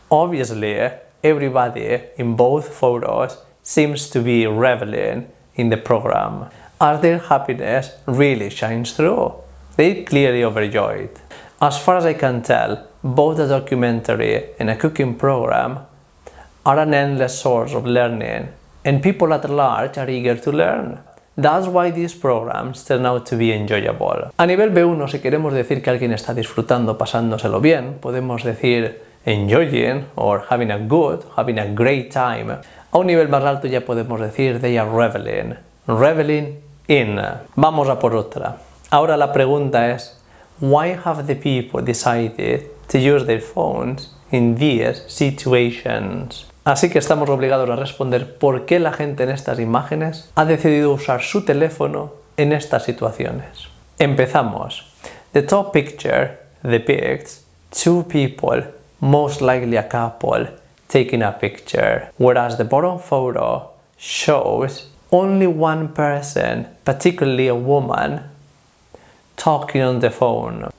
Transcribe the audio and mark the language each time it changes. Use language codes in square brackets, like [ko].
[en] Obviously, everybody in both photos seems to be reveling in the program, as their happiness really shines through. They're clearly overjoyed. As far as I can tell, both a documentary and a cooking program are an endless source of learning, and people at large are eager to learn. That's why these programs turn out to be enjoyable. [es] A nivel B1, si queremos decir que alguien está disfrutando pasándoselo bien, podemos decir [en] enjoying or having a great time. [es] A un nivel más alto ya podemos decir [en] they are reveling. [es] Reveling in. Vamos a por otra. Ahora la pregunta es, [en] why have the people decided to use their phones in these situations? [es] Así que estamos obligados a responder por qué la gente en estas imágenes ha decidido usar su teléfono en estas situaciones. Empezamos. [en] The top picture depicts two people, most likely a couple, taking a picture. Whereas the bottom photo shows only one person, particularly a woman, talking on the phone.